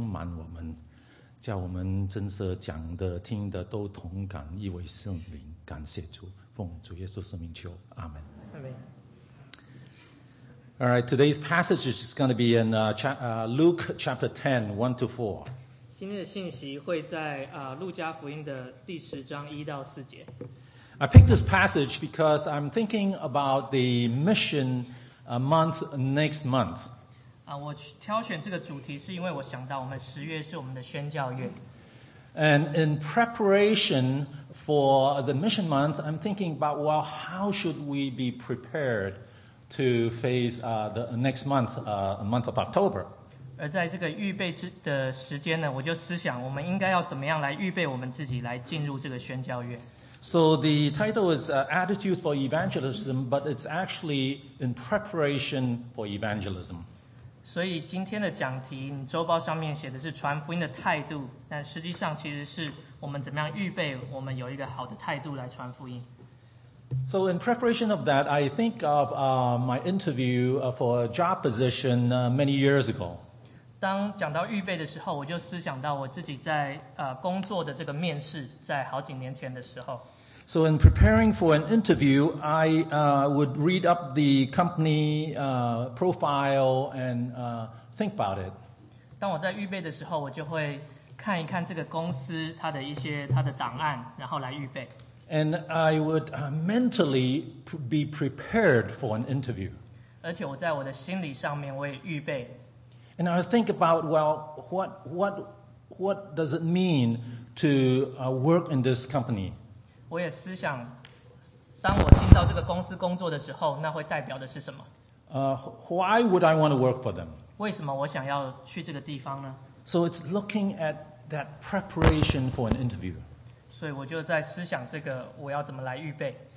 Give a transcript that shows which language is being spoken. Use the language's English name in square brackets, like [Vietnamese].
[Chinese] 满我们，叫我们真实讲的听的都同感意为圣灵，感谢主，奉主耶稣圣名求，阿们。 [English] All right, today's passage is going to be in Luke chapter 10, 1 to 4. [Chinese] 今天的信息会在路加福音的第十章一到四节。 [English] I picked this passage because I'm thinking about the mission month next month. [Chinese] 我挑选这个主题是因为我想到我们十月是我们的宣教月。 [English] And in preparation for the mission month, I'm thinking about, well, how should we be prepared to face the next month, month of October. [Chinese] 而在这个预备的时间呢，我就思想我们应该要怎么样来预备我们自己来进入这个宣教月。 [English] So the title is Attitude for Evangelism, but it's actually in preparation for evangelism. [Chinese] 所以今天的讲题，你周报上面写的是传福音的态度，但实际上其实是我们怎么样预备我们有一个好的态度来传福音。 [English] So in preparation of that, I think of my interview for a job position many years ago. [Chinese] 当讲到预备的时候，我就思想到我自己在工作的这个面试，在好几年前的时候。 [English] So in preparing for an interview, I would read up the company profile and think about it. [Chinese] 当我在预备的时候，我就会看一看这个公司它的一些它的档案，然后来预备。 [English] And I would mentally be prepared for an interview. [Chinese] 而且我在我的心理上面我也预备。 [English] And I think about, well, what does it mean to work in this company? [Chinese] 我也思想，当我进到这个公司工作的时候，那会代表的是什么？ [English] Why would I want to work for them? [Chinese] 为什么我想要去这个地方呢？ [English] So it's looking at that preparation for an interview. [Chinese] 所以我就在思想这个我要怎么来预备。